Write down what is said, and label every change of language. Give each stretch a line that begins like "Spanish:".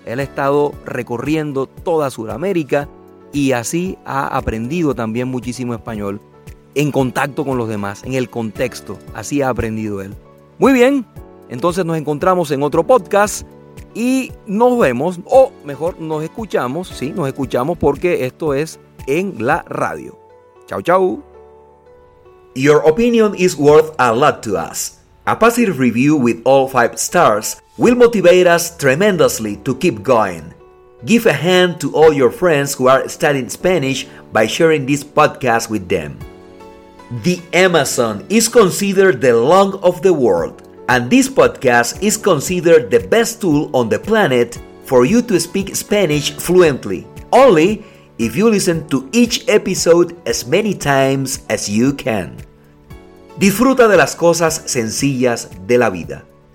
Spanish: Él ha estado recorriendo toda Sudamérica y así ha aprendido también muchísimo español en contacto con los demás, en el contexto. Así ha aprendido él. Muy bien, entonces nos encontramos en otro podcast y nos vemos, o mejor, nos escuchamos. Sí, nos escuchamos porque esto es en la radio. Chau, chau.
English: Your opinion is worth a lot to us. A positive review with all 5 stars will motivate us tremendously to keep going. Give a hand to all your friends who are studying Spanish by sharing this podcast with them. The Amazon is considered the lung of the world, and this podcast is considered the best tool on the planet for you to speak Spanish fluently, only if you listen to each episode as many times as you can.
Spanish: Disfruta de las cosas sencillas de la vida.